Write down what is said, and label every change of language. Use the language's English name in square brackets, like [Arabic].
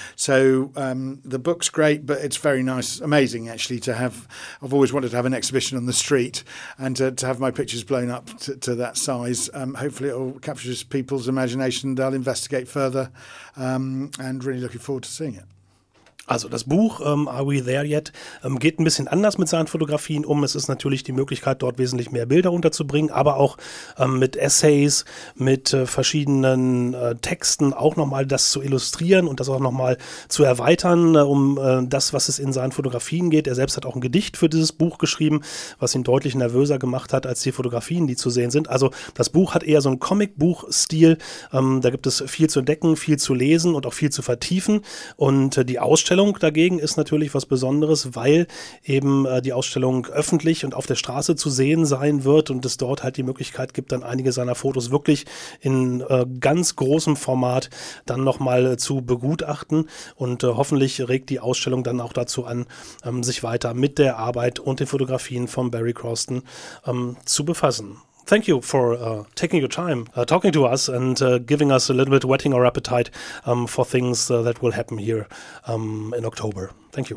[English] So the book's great, but it's very nice, amazing actually to have. I've always wanted to have an exhibition on the street, and to have my pictures blown up to that size. Hopefully, it'll capture people's imagination. They'll investigate further, and really looking forward to seeing it. [German] Also das Buch Are We There Yet? Geht ein bisschen anders mit seinen Fotografien um. Es ist natürlich die Möglichkeit, dort wesentlich mehr Bilder unterzubringen, aber auch mit Essays, mit verschiedenen Texten auch nochmal das zu illustrieren und das auch nochmal zu erweitern, um das, was es in seinen Fotografien geht. Er selbst hat auch ein Gedicht für dieses Buch geschrieben, was ihn deutlich nervöser gemacht hat als die Fotografien, die zu sehen sind. Also das Buch hat eher so einen Comic-Buch-Stil. Da gibt es viel zu entdecken, viel zu lesen und auch viel zu vertiefen. Und die Ausstellung dagegen ist natürlich was Besonderes, weil eben die Ausstellung öffentlich und auf der Straße zu sehen sein wird und es dort halt die Möglichkeit gibt, dann einige seiner Fotos wirklich in ganz großem Format dann nochmal zu begutachten und hoffentlich regt die Ausstellung dann auch dazu an, sich weiter mit der Arbeit und den Fotografien von Barry Crosston zu befassen. [English] Thank you for taking your time talking to us and giving us a little bit whetting our appetite for things that will happen here in October. Thank you.